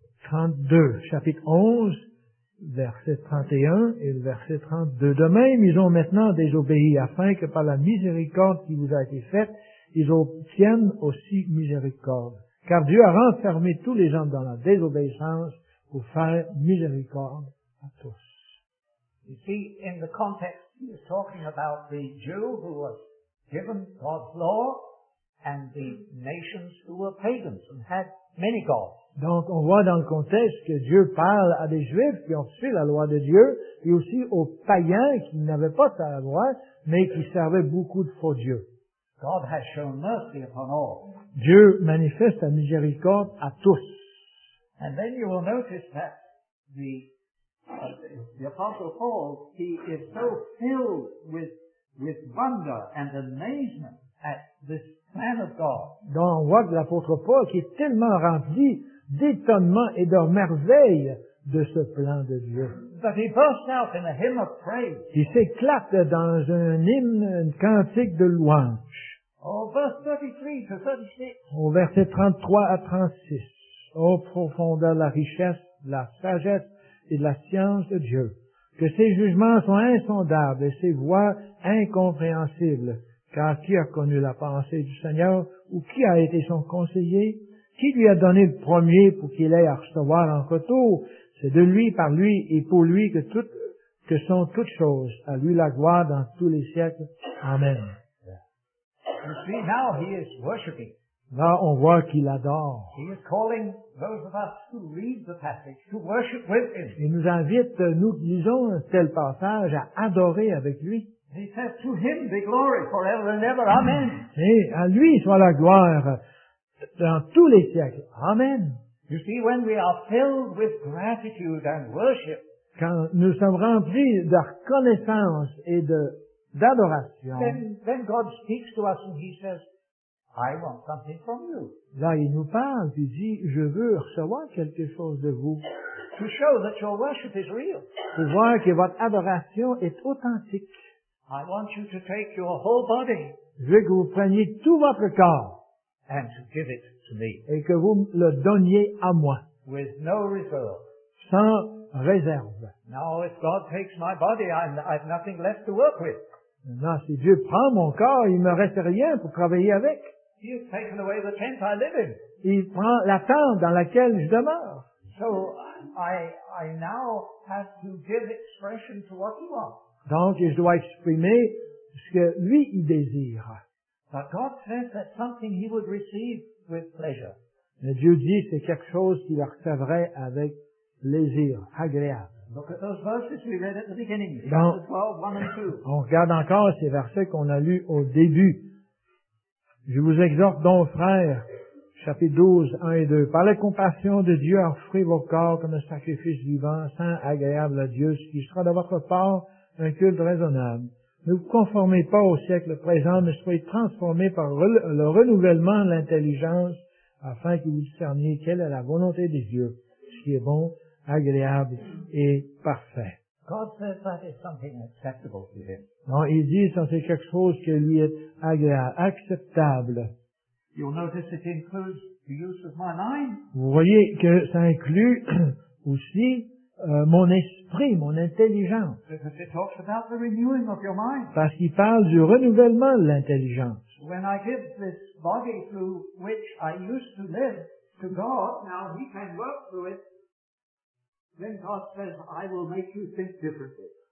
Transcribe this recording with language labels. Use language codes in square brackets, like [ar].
[fr] 31-32, chapitre 11, verset 31 et le verset 32. De même, ils ont maintenant désobéi afin que par la miséricorde qui vous a été faite, ils obtiennent aussi miséricorde. Car Dieu a renfermé tous les hommes dans la désobéissance pour faire miséricorde à tous. [en] You see, in the context, he is talking about the Jew who was given God's law, and the nations who were pagans and had many gods. [fr] Donc, on voit dans le contexte que Dieu parle à des Juifs qui ont suivi la loi de Dieu, et aussi aux païens qui n'avaient pas sa loi, mais qui servaient beaucoup de faux dieux. [en] God has shown mercy upon all. [fr] Dieu manifeste sa miséricorde à tous. [en] And then you will notice that the Apostle Paul, he is so filled with wonder and amazement at this man of God. [fr] Donc on voit que l'apôtre Paul qui est tellement rempli d'étonnement et de merveille de ce plan de Dieu. [en] But he bursts out in a hymn of praise. [fr] Il s'éclate dans un hymne, une cantique de louange. [en] Oh, verse 33 to 36. [fr] Au verset 33 à 36. Ô profondeur de la richesse, de la sagesse et de la science de Dieu, que ses jugements sont insondables et ses voies incompréhensibles. Car qui a connu la pensée du Seigneur, ou qui a été son conseiller? Qui lui a donné le premier pour qu'il ait à recevoir en retour? C'est de lui, par lui et pour lui que sont toutes choses. À lui la gloire dans tous les siècles. Amen. [en] You see, now he is worshiping. [fr] Là, on voit qu'il adore. [en] He is calling those of us who read the passage to worship with him. [fr] Il nous invite, nous qui lisons un tel passage, à adorer avec lui. [en] He says, to him be glory forever and ever. Amen. [fr] Et à lui soit la gloire dans tous les siècles. Amen. [en] You see, when we are filled with gratitude and worship, [fr] quand nous sommes remplis de reconnaissance et d'adoration, [en] then God speaks to us and he says, I want something from you. [fr] Là, il nous parle, il dit, je veux recevoir quelque chose de vous. [en] To show that your worship is real. [fr] Pour voir que votre adoration est authentique. [en] I want you to take your whole body. [fr] Je veux que vous preniez tout votre corps. [en] And to give it to me. [fr] Et que vous le donniez à moi. [en] With no reserve. [fr] Sans réserve. [en] Now if God takes my body, I've nothing left to work with. [fr] Maintenant, si Dieu prend mon corps, il ne me reste rien pour travailler avec. [en] He has taken away the tent I live in. [fr] Il prend la tente dans laquelle je demeure. [en] So I now have to give expression to what you want. [fr] Donc, je dois exprimer ce que lui, il désire. [en] But God says that something he would receive with pleasure. [fr] Mais Dieu dit que c'est quelque chose qu'il recevrait avec plaisir, agréable. [en] Look at those verses we read at the beginning. [fr] Donc, 12, [en] 1 and 2. [fr] On regarde encore ces versets qu'on a lus au début. Je vous exhorte donc, frères, chapitre 12, 1 et 2. Par la compassion de Dieu, offrez vos corps comme un sacrifice vivant, saint, agréable à Dieu, ce qui sera de votre part un culte raisonnable. Ne vous conformez pas au siècle présent, mais soyez transformés par le renouvellement de l'intelligence, afin que vous discerniez quelle est la volonté de Dieu, ce qui est bon, agréable et parfait. [en] God says that is something acceptable to him. [fr] Non, il dit que c'est quelque chose qui lui est agréable, acceptable. [en] You'll notice it includes the use of my mind. [fr] Vous voyez que ça inclut aussi mon esprit, mon intelligence. [en] Because it talks about the renewing of your mind. [fr] Parce qu'il parle du renouvellement de l'intelligence. [en] When I give this body through which I used to live to God, now he can work through it, then God says, I will make you think differently.